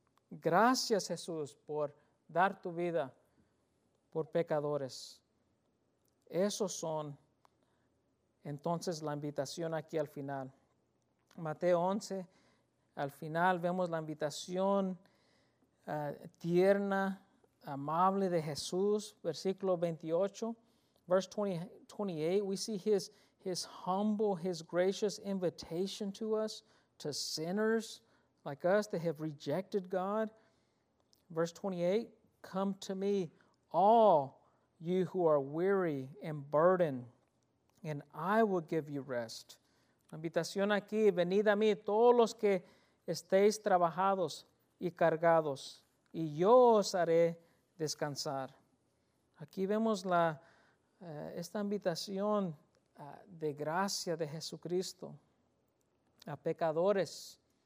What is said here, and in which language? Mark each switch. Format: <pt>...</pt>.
<es>Gracias, Jesús, por dar tu vida por pecadores. Esos son, entonces, la invitación aquí al final. Mateo 11, al final vemos la invitación tierna, amable de Jesús. Versículo 28,</es> <en>verse 28, we see his humble, his gracious invitation to us, to sinners like us that have rejected God. Verse 28, come to me, all you who are weary and burdened, And I will give you rest.</en> <es>La invitación aquí, venid a mí todos los que estéis trabajados y cargados, y yo os haré descansar. Aquí vemos la esta invitación de gracia de Jesucristo a pecadores.</es>